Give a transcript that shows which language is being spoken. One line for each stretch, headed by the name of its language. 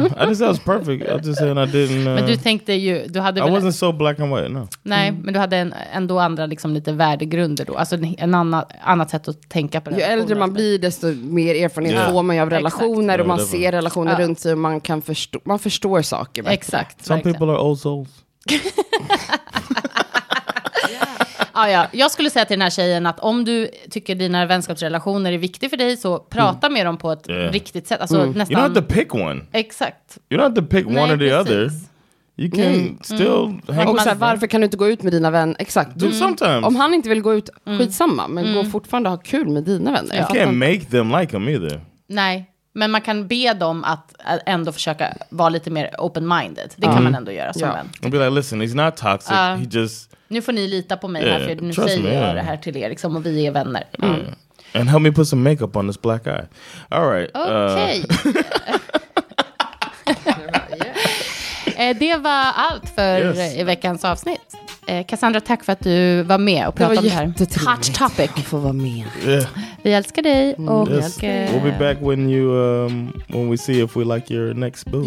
English: I just said I was perfect. I just said I didn't.
Swedish: Men du tänkte ju, du hade.
English: I wasn't so black and white. No.
Swedish: Nej, men du hade ändå andra, liksom lite värdegrunder då. Alltså en annat sätt att tänka på det. Ju äldre man blir, desto mer erfarenhet får man av relationer och man ser relationer runt sig. Man kan förstå. Man förstår saker. Bättre. Exakt.
English: Some people are old souls.
Swedish: Ja, jag skulle säga till den här tjejen att om du tycker dina vänskapsrelationer är viktiga för dig, så prata med dem på ett riktigt sätt. Alltså, nästan...
English: You don't have to pick one.
Swedish: Exakt.
English: You don't have to pick one or the other. You can still hang out.
Swedish: Varför kan du inte gå ut med dina vänner? Exakt.
English: Sometimes.
Swedish: Om han inte vill gå ut, skitsamma, men gå fortfarande ha kul med dina vänner.
English: You can't make them like him either.
Swedish: Nej. Men man kan be dem att ändå försöka vara lite mer open-minded. Det kan man ändå göra som vän.
English: I'll be like, listen, he's not toxic. He just...
Swedish: Nu får ni lita på mig här, för nu säger jag det här till er liksom, och vi är vänner.
English: And help me put some makeup on this black eye. All right.
Swedish: Okej. Det var allt för i veckans avsnitt. Cassandra, tack för att du var med och pratade om det här. Det var jättetrevligt.
English: Hot topic.
Swedish: Att få vara med. Vi älskar dig. Och
English: we'll be back when you when we see if we like your next boo.